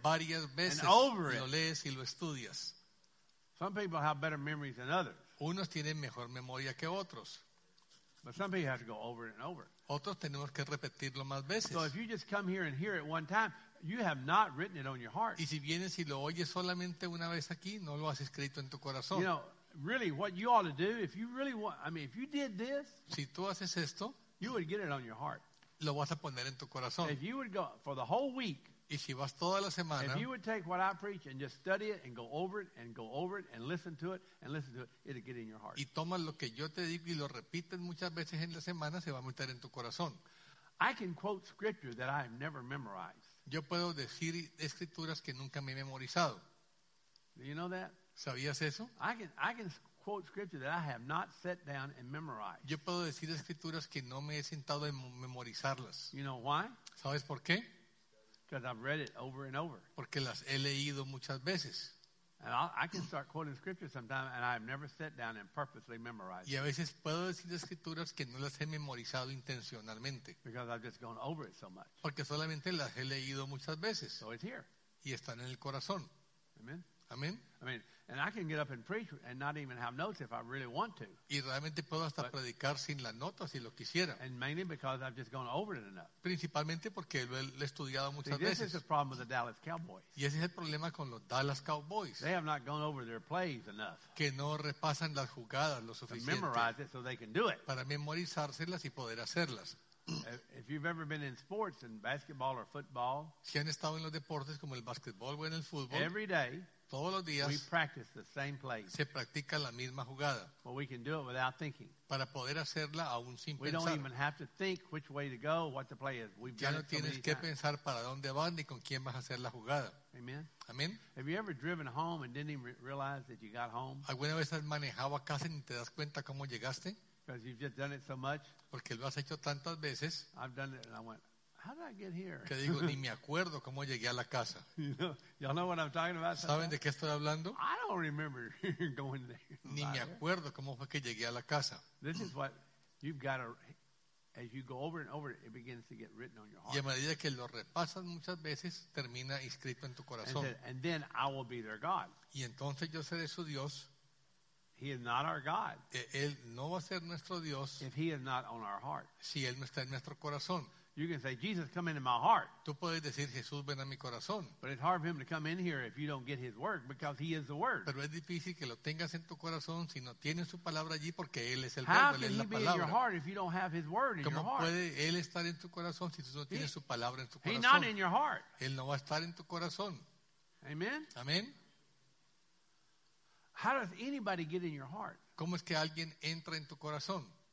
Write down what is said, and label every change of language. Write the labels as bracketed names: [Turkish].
[Spanish] varias veces [English] and over it. [Spanish] Lo lees y lo estudias. [English] Some people have better memories than others. [Spanish] Unos tienen mejor memoria que otros. [English] But some people have to go over and over. [Spanish] Otros tenemos que repetirlo más veces. [English] So if you just come here and hear it one time, you have not written it on your heart. [Spanish] Y si vienes y lo oyes solamente una vez aquí, no lo has escrito en tu corazón. [English] You know, really what you ought to do, if you really want, I mean, if you did this, [Spanish] si tú haces esto, [English] you would get it on your heart. [Spanish] Lo vas a poner en tu corazón. [English] If you would go for the whole week, [Spanish] y si vas toda la semana, [English] if you would take what I preach and just study it and go over it and go over it and listen to it and listen to it, it'll get in your heart. [Spanish] Y tomas lo que yo te digo y lo repites muchas veces en la semana, se va a meter en tu corazón. [English] I can quote scripture that I have never memorized. [Spanish] Yo puedo decir escrituras que nunca me he memorizado. [English] Do you know that? [Spanish] ¿Sabías eso? [English] I can quote scripture that I have not sat down and memorized. [Spanish] Yo puedo decir escrituras que no me he sentado a memorizarlas. [English] You know why? [Spanish] ¿Sabes por qué? [English] Because I've read it over and over. [Spanish] Porque las he leído muchas veces. [English] And I can start quoting scriptures sometimes, and I've never sat down and purposely memorized. [Spanish] Y a veces puedo decir escrituras que no las he memorizado intencionalmente. [English] Because I've just gone over it so much. [Spanish] Porque solamente las he leído muchas veces. [English] So it's here. [Spanish] Y están en el corazón. [English] Amen. [Spanish] Amen. [English] I mean, and I can get up and preach and not even have notes if I really want to. [Spanish] Y realmente puedo hasta predicar sin las notas si lo quisiera. [English] And mainly because I've just gone over it enough. [Spanish] Principalmente porque lo he estudiado muchas veces. [English] See, this is the problem with the Dallas Cowboys. [Spanish] Y ese es el problema con los Dallas Cowboys. [English] They have not gone over their plays enough. [Spanish] Que no repasan las jugadas lo suficiente. [English] To memorize it so they can do it. [Spanish] Para memorizárselas y poder hacerlas. [English] If you've ever been in sports, in basketball or football, [Spanish] si han estado en los deportes como el basketball o en el fútbol, [English] every day, [Spanish] todos los días, [English] we practice the same play. [Spanish] Se practica la misma jugada. [English] Well, we can do it without thinking. [Spanish] Para poder hacerla aún sin [English] we [Spanish] pensar. [English] Don't even have to think which way to go, what the play is. We've [Spanish] ya [English] done [Spanish] no [English] it [Spanish] tienes [English] so many [Spanish] que [English] times. [Spanish] Pensar para dónde vas ni con quién vas a hacer la jugada. [English] Amen. [Spanish] Amen. [English] Have you ever driven home and didn't even realize that you got home? [Spanish] ¿Alguna vez has manejado a casa y te das cuenta cómo llegaste? [English] Because you've just done it so much. [Spanish] Porque lo has hecho tantas veces. [English] I've done it and I went, how did I get here? [Spanish] Que digo, ni me acuerdo cómo llegué a la casa. [English] You know, y'all know what I'm talking about? [Spanish] ¿Saben de qué estoy hablando? [English] I don't remember going there. [Spanish] Ni me acuerdo cómo fue que llegué a la casa. [English] This is what you've got to, as you go over and over, it begins to get written on your heart. [Spanish] Y a medida que lo repasas muchas veces, termina escrito en tu corazón. [English] And then I will be their God. [Spanish] Y entonces yo seré su Dios. [English] He is not our God. [Spanish] Él no va a ser nuestro Dios. [English] If he is not on our heart. [Spanish] Si él no está en nuestro corazón. [English] You can say, Jesus, come into my heart. [Spanish] Tú puedes decir, Jesús, ven a mi corazón. [English] But it's hard for him to come in here if you don't get his word, because he is the word. [Spanish] Pero es difícil que lo tengas en tu corazón si no tienes su palabra allí, porque él es el verbo, él es la palabra. [English] How can he be in your heart if you don't have his word in your heart? [Spanish] ¿Cómo puede él estar en tu corazón si tú no tienes su palabra en tu corazón? [English] He's not in your heart. [Spanish] Él no va a estar en tu corazón. [English] Amen. [Spanish] Amén. [English] How does anybody get in your heart? [Spanish] ¿Cómo es que alguien entra en tu corazón?